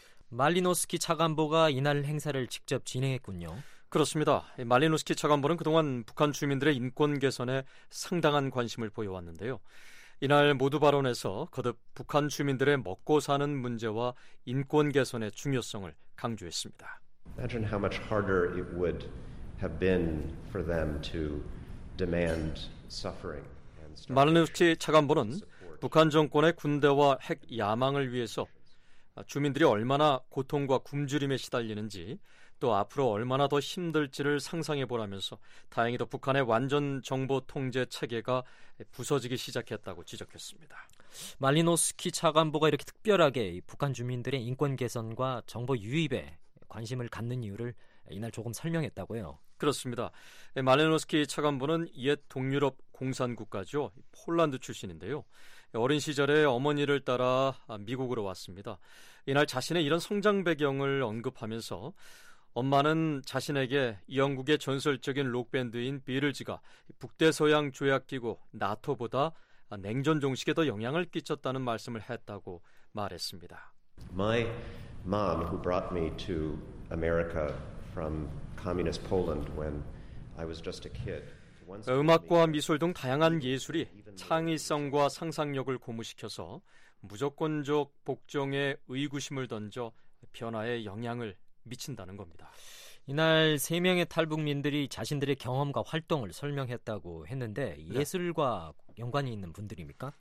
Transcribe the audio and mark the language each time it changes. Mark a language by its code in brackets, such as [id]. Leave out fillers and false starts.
[ko] 말리노스키 차관보가 이날 행사를 직접 진행했군요. 그렇습니다. 말리노스키 차관보는 그동안 북한 주민들의 인권 개선에 상당한 관심을 보여왔는데요. 이날 모두 발언에서 거듭 북한 주민들의 먹고 사는 문제와 인권 개선의 중요성을 강조했습니다. [en] Imagine how much harder it would have been for them to demand suffering. [ko] 말리노스키 차관보는 북한 정권의 군대와 핵 야망을 위해서 주민들이 얼마나 고통과 굶주림에 시달리는지 또 앞으로 얼마나 더 힘들지를 상상해보라면서 다행히도 북한의 완전 정보 통제 체계가 부서지기 시작했다고 지적했습니다. 말리노스키 차관보가 이렇게 특별하게 북한 주민들의 인권 개선과 정보 유입에 관심을 갖는 이유를 이날 조금 설명했다고요. 그렇습니다. 말리노스키 차관보는 옛 동유럽 공산국가죠. 폴란드 출신인데요. 어린 시절에 어머니를 따라 미국으로 왔습니다. 이날 자신의 이런 성장 배경을 언급하면서 엄마는 자신에게 영국의 전설적인 록밴드인 비틀즈가 북대서양 조약기구 나토보다 냉전 종식에 더 영향을 끼쳤다는 말씀을 했다고 말했습니다. [en] My mom who brought me to America from communist Poland when I was just a kid. [ko] 음악과 미술 등 다양한 예술이 창의성과 상상력을 고무시켜서 무조건적 복종의 의구심을 던져 변화에 영향을 미친다는 겁니다. 이날 세 명의 탈북민들이 자신들의 경험과 활동을 설명했다고 했는데 예술과 연관이 있는 분들입니까?